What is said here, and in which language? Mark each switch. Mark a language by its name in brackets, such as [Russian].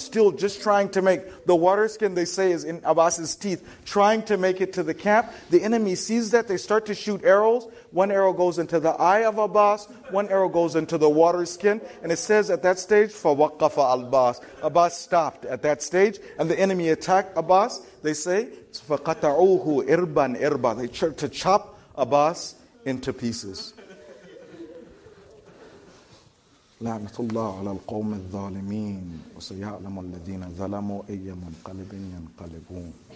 [English] Still just trying to make the water skin, they say, is in Abbas's teeth. Trying to make it to the camp. The enemy sees that. They start to shoot arrows. One arrow goes into the eye of Abbas. One arrow goes into the water skin. And it says at that stage, [Arabic] فَوَقَّفَ [English] Abbas. Abbas stopped at that stage. And the enemy attacked Abbas. They say, [Arabic] فَقَطَعُوهُ إِرْبًا إِرْبًا. [English] They start to chop Abbas into pieces. [Arabic] لعنة الله على القوم الظالمين وسيعلم الذين ظلموا أي منقلب ينقلبون